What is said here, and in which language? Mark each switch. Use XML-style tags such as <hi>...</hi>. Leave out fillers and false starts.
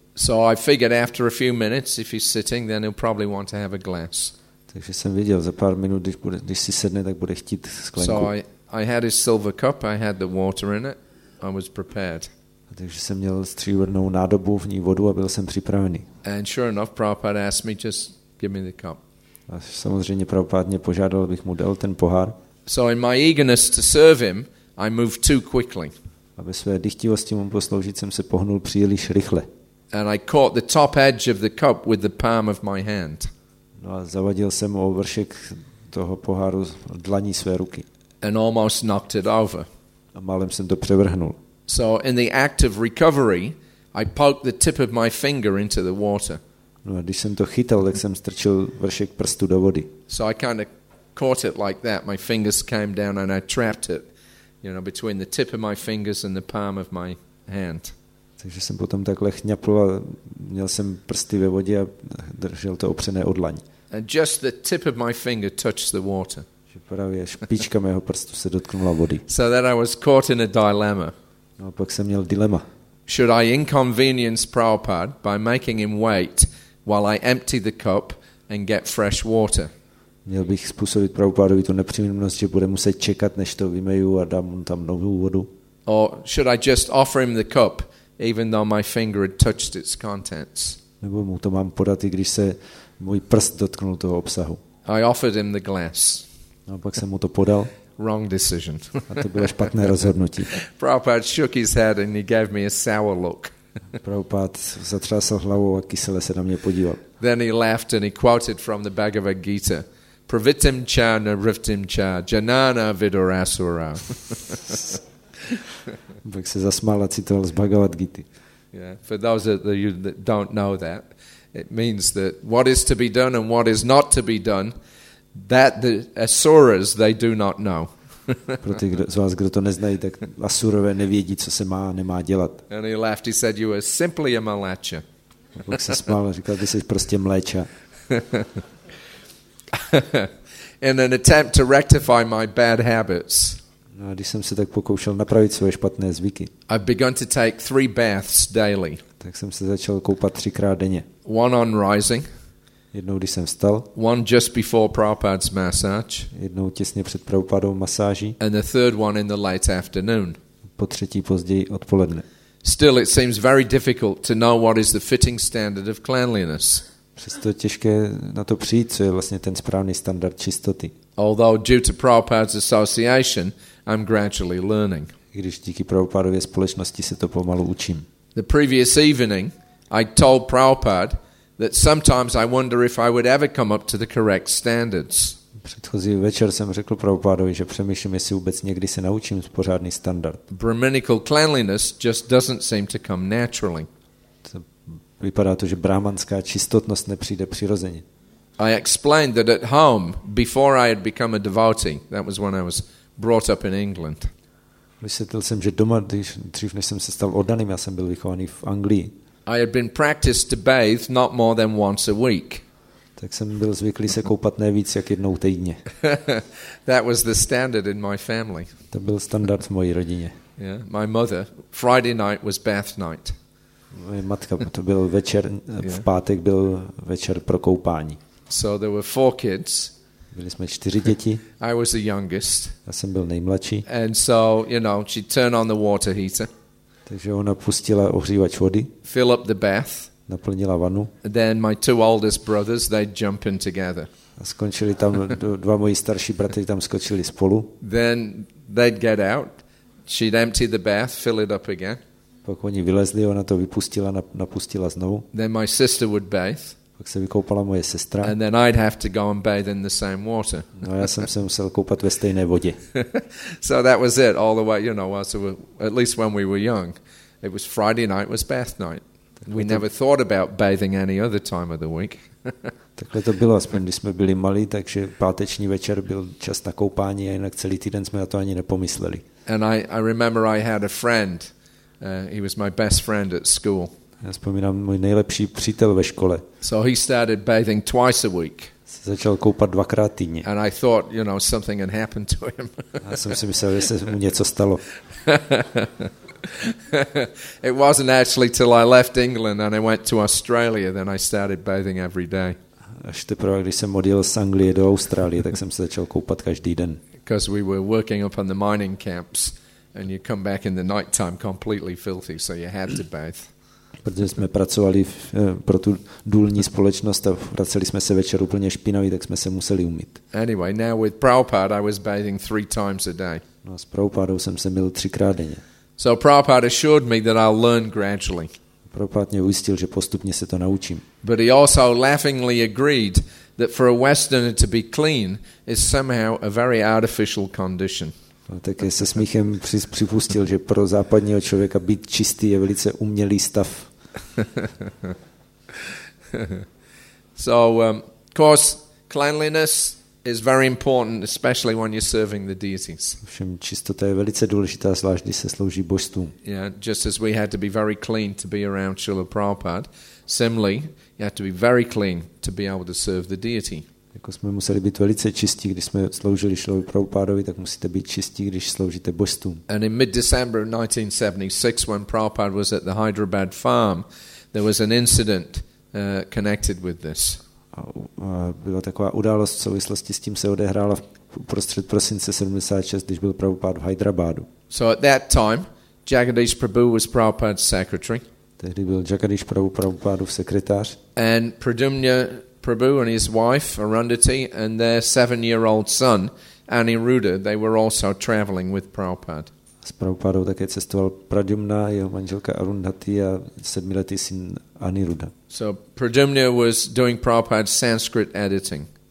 <en>So I figured after a few minutes, if he's sitting, then he'll probably want to have a glass.</en> <cs>Takže jsem viděl, za pár minut, když si sedne, tak bude chtít sklenku.</cs> <en>So I had his silver cup, I had the water in it, I was prepared.</en> <cs>A takže jsem měl stříbrnou nádobu, v ní vodu a byl jsem připravený.</cs> <en>And sure enough, Prabhupada asked me, just give me the cup.</en> <cs>A samozřejmě Prabhupada mě požádal, abych mu dal ten pohár.</cs> <en>So in my eagerness to serve him, I moved too quickly.</en> <cs>A ve své dychtivosti mu posloužit jsem se pohnul příliš rychle.</cs> <en>And I caught the top edge of the cup with the palm of my hand.</en> <cs>No a zavadil jsem o vršek toho poháru dlaní své ruky.</cs> <en>And almost knocked it over.</en> <cs>A málem jsem to převrhnul.</cs> <en>So in the act of recovery, I poked the tip of my finger into the water.</en> <cs>No a když jsem to chytal, tak jsem strčil vršek prstu do vody.</cs> <en>So I kind of caught it like that. My fingers came down and I trapped it, you know, between the tip of my fingers and the palm of my hand.</en> <cs>Takže jsem potom takhle chňapl a měl jsem prsty ve vodě a držel to opřené o dlaň.</cs> <en>And just the tip of my finger touched the water.</en> <cs>Že právě špička mého prstu se dotknula vody.</cs> <en>So that I was caught in a dilemma.</en> <cs>No a pak jsem měl dilema.</cs> <en>Should I inconvenience Prabhupada by making him wait while I empty the cup and get fresh water?</en> <cs>Měl bych způsobit Prabhupádovi tu nepříjemnost, že bude muset čekat, než to vymeju a dám mu tam novou vodu?</cs> <en>Or should I just offer him the cup even though my finger had touched its contents?</en> <cs>Nebo mu to mám podat, i když se můj prst dotknul toho obsahu?</cs> <en>I offered him the glass.</en> <cs>No, pak jsem mu to podal.</cs> <en>Wrong decision.</en> <cs>A to bylo špatné rozhodnutí.</cs> <en>Prabhupád shook his head and he gave me a sour look.</en> <cs>Prabhupád zatřásl hlavou a kysele se na mě podíval.</cs> <en>Then he laughed and he quoted from the Bhagavad Gita.</en> <sa>Pravitim cha na rivtim cha janana vidurasura.</sa> <cs>Tak se zasmál a citoval z Bhagavad Gita.</cs> <en>Yeah, for those of you that don't know that, it means that what is to be done and what is not to be done, that the asuras, they do not know.</en> <cs>Pro ty z vás, kdo to neznají, tak asurové nevědí, co se má a nemá dělat.</cs> <en>And he laughed, he said, you are simply a mlecha.</en> <cs>Tak se smál a říkal, ty jsi prostě mléča.</cs> <en>In an attempt to rectify my bad habits.</en> <cs>No, a když jsem se tak pokoušel napravit svoje špatné zvyky.</cs> <en>I've begun to take three baths daily.</en> <cs>Tak jsem se začal koupat třikrát denně.</cs> <en>One on rising.</en> <cs>Jednou když jsem vstal.</cs> <en>One just before Prabhupada's massage.</en> <cs>Jednou těsně před Prabhupádou masáží.</cs> <en>And the third one in the late afternoon.</en> <cs>Po třetí později odpoledne.</cs> <en>Still it seems very difficult to know what is the fitting standard of cleanliness.</en> <cs>Přesto těžké na to přijít, co je vlastně ten správný standard čistoty.</cs> <en>Although due to Prabhupada's association, I'm gradually learning.</en> <cs>Když díky Prabhupádově společnosti se to pomalu učím.</cs> <en>The previous evening, I told Prabhupada that sometimes I wonder if I would ever come up to the correct standards.</en> <cs>Předchozí večer jsem řekl Prabhupádovi, že přemýšlím, jestli vůbec někdy se naučím pořádný standard.</cs> <en>Brahminical cleanliness just doesn't seem to come naturally.</en> <cs>Vypadá to, že brahmanská čistotnost nepřijde přirozeně.</cs> <en>I explained that at home, before I had become a devotee, that was when I was brought up in England.</en> <cs>Vysvětlil jsem, že doma, dřív než jsem se stal oddaným, já jsem byl vychovaný v Anglii.</cs> <en>I had been practiced to bathe not more than once a week.</en> <cs>Tak jsem byl zvyklý se koupat ne víc jak jednou týdně.</cs> <en>That was the standard in my family.</en> <cs>To byl standard v mojí rodině.</cs> <en>Yeah, my mother, Friday night was bath night.</en> <cs>Moje matka, to byl večer, v pátek byl večer pro koupání.</cs> <en>So there were four kids.</en> <cs>Byli jsme čtyři děti.</cs> <en>I was the youngest.</en> <cs>Já jsem byl nejmladší.</cs> <en>And so, you know, she turned on the water heater.</en> <cs>Takže ona pustila ohřívač vody.</cs> <en>Fill up the bath.</en> <cs>Naplnila vanu.</cs> <en>Then my two oldest brothers, they jump in together.</en> <cs>A skončili tam dva moji starší bratři, tam skočili spolu.</cs> <en>Then they'd get out. She'd empty the bath, fill it up again.</en> <cs>Pak oni vylezli, ona to vypustila, napustila znovu.</cs> <en>Then my sister would bathe.</en> <cs>Pak se vykoupala moje sestra.</cs> <en>And then I'd have to go and bathe in the same water.</en> <cs>No, já jsem se musel koupat ve stejné vodě.</cs> <en>So that was it all the way, you know, so at least when we were young. It was Friday night, was bath night. We never thought about bathing any other time of the week.</en> <cs>Takhle to bylo, aspoň když jsme byli malí, takže páteční večer byl čas na koupání a jinak celý týden jsme na to ani nepomysleli.</cs> <en>And I remember I had a friend. He was my best friend at school.</en> <cs>Já vzpomínám, můj nejlepší přítel ve škole.</cs> <en>So he started bathing twice a week.</en> <cs>Se začal koupat dvakrát týdně.</cs> <en>And I thought, you know, something had happened to him.</en> <cs>Já jsem si myslel, že se mu něco stalo.</cs> <en>It wasn't actually till I left England and I went to Australia then I started bathing every day.</en> <cs>Až teprve, když jsem odjel z Anglie do Austrálie, tak jsem se začal koupat každý den.</cs> <en>Because we were working up on the mining camps. And you come back in the night time completely filthy, so you had to bathe.</en> <cs>Protože jsme pracovali pro tu důlní společnost a vraceli jsme se večer úplně špinaví, tak jsme se museli umýt.</cs> <en>Anyway, now with Prabhupada, I was bathing three times a day.</en> <cs>No, s Prabhupádou jsem se myl třikrát denně.</cs> <en>So Prabhupada assured me that I'll learn gradually.</en> <cs>Prabhupada mě ujistil, že postupně se to naučím.</cs> <en>But he also laughingly agreed that for a Westerner to be clean is somehow a very artificial condition.</en> <cs>Také se smíchem připustil, že pro západního člověka být čistý je velice umělý stav.</cs> <en>So, of course, cleanliness is very important, especially when you're serving the deities.</en> <cs>Všem čistota je velice důležitá, zvlášť když se slouží božstvům.</cs> <en>Yeah, just as we had to be very clean to be around Srila Prabhupada, similarly, you have to be very clean to be able to serve the deity.</en> <cs>Jako jsme museli být velice čistí, když jsme sloužili Srilovi Prabhupádovi, tak musíte být čistí, když sloužíte božstvům.</cs> <en>And in mid-December of 1976, when Prabhupada was at the Hyderabad farm, there was an incident connected with this.</en> <cs>Byla taková událost v souvislosti s tím se odehrála v prostřed prosince 76, když byl Prabhupada v Hyderabadu.</cs> <en>So at that time, Jagadish Prabhu was Prabhupada's secretary.</en> <cs>Tehdy byl Jagadish Prabhu Prabhupádův sekretář.</cs> <en>And Pradyumna Prabhu and his wife Arundhati and their 7-year-old son Aniruddha, they were also traveling with Prabhupada.</en> <cs>S Prabhupádou také cestoval Pradyumna, jeho manželka Arundhati a 7letý syn Aniruddha.</cs> <en>So Pradyumna was doing Prabhupada's Sanskrit editing.</en>